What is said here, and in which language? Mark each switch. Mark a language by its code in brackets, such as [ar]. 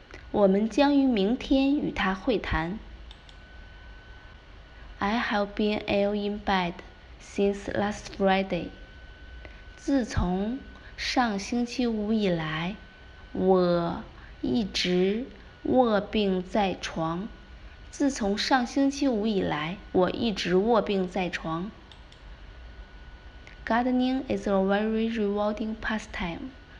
[zh] 我们将于明天与他会谈。 [en] I have been ill in bed since last Friday. [zh] 自从上星期五以来，我一直卧病在床。自从上星期五以来，我一直卧病在床。 [en] Gardening is a very rewarding pastime.